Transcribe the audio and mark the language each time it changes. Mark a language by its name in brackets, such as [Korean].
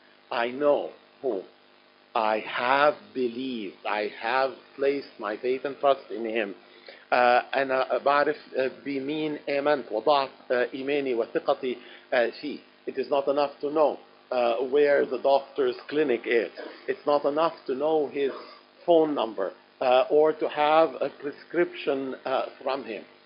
[English] I know whom I have believed. I have placed my faith and trust in him. [Arabic] أنا بعرف بمين آمنت وضعت إيماني وثقتي فيه. [English] It is not enough to know where the doctor's clinic is. It's not enough to know his phone number or to have a prescription from him.